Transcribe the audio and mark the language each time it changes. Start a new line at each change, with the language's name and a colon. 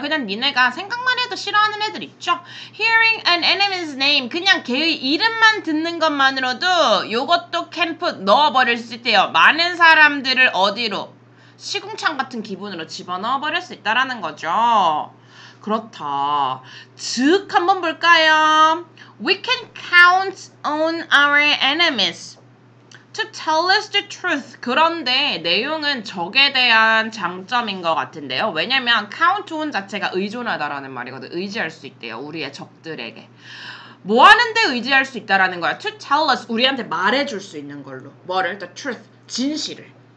Korean: 그냥 니네가 생각만 해도 싫어하는 애들 있죠.
English: Hearing an enemy's name.
Korean: 그냥 걔의 이름만 듣는 것만으로도 요것도
English: can put
Korean: 넣어버릴 수 있대요. 많은 사람들을 어디로? 시궁창 같은 기분으로 집어넣어버릴 수 있다라는 거죠. 그렇다. 즉 한번 볼까요?
English: We can count on our enemies to tell us the truth.
Korean: 그런데 내용은 적에 대한 장점인 것 같은데요. 왜냐면 count on 자체가 의존하다라는 말이거든. 의지할 수 있대요. 우리의 적들에게. 뭐 하는데 의지할 수 있다라는 거야?
English: To tell us,
Korean: 우리한테 말해줄 수 있는 걸로. 뭐를?
English: The truth,
Korean: 진실을.